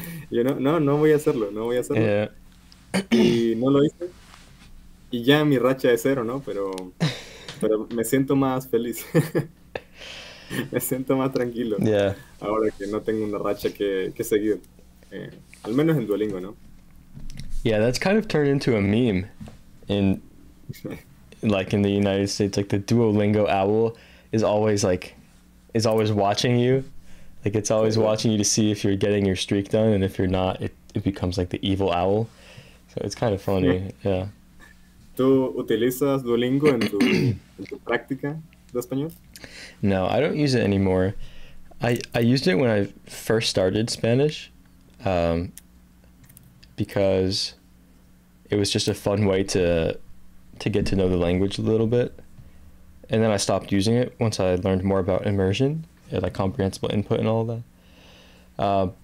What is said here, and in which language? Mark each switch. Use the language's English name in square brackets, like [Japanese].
[Spanish] Y yo, no voy a hacerlo. Yeah. Y no lo hice. Y ya mi racha es cero, ¿no? Pero me siento más feliz. Me siento más tranquilo. [English] Yeah. [Spanish] Ahora que no tengo una racha que seguir. Al menos en Duolingo, ¿no? [English] Yeah, that's kind of turned into a meme. And... like in the United States, like the Duolingo owl is always watching you. Like, it's always watching you to see if you're getting your streak done, and if you're not, it becomes like the evil owl. So it's kind of funny. Yeah. [Spanish] ¿Tú utilizas Duolingo en tu práctica de español? [English] No, I don't use it anymore. I used it when I first started Spanish, because it was just a fun way to get to know the language a little bit. And then I stopped using it once I learned more about immersion and like comprehensible input and all of that.